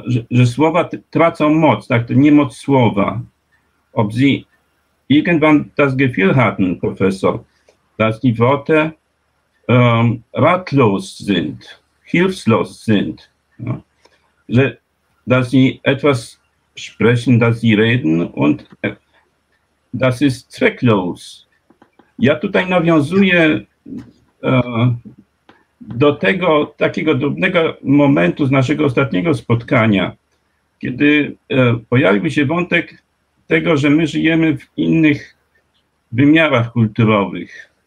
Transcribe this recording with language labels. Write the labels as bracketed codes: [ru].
[pl] że słowa tracą moc, tak, to nie moc słowa. [de] Ob sie irgendwann das Gefühl hatten, Professor, dass die Worte ratlos sind, hilflos sind, ja, że, dass sie etwas sprechen, dass sie reden und das ist zwecklos. [pl] Ja tutaj nawiązuję do tego takiego drobnego momentu z naszego ostatniego spotkania, kiedy pojawił się wątek tego, że my żyjemy w innych wymiarach kulturowych.